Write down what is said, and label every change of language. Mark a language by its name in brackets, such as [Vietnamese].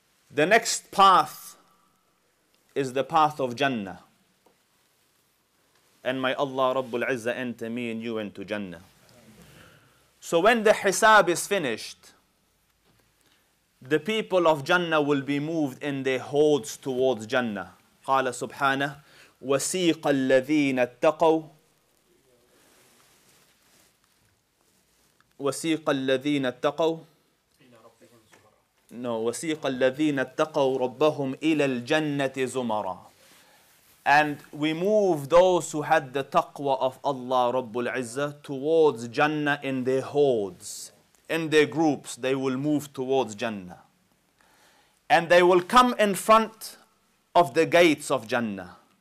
[English] Ameen. The next path is the path of Jannah. And may Allah Rabbul Izzah enter me and you into Jannah. So when the Hisab is finished, the people of Jannah will be moved in their hordes towards Jannah. [Arabic] قال سبحانه وسيق الذين اتقوا وسيق الذين اتقوا [English] No, [Arabic] وسيق الذين اتقوا ربهم إلى الجنة زمرا. [English] And we move those who had the taqwa of Allah Rabbul Izzah towards Jannah in their hordes, in their groups. They will move towards Jannah. And they will come in front of the gates of Jannah.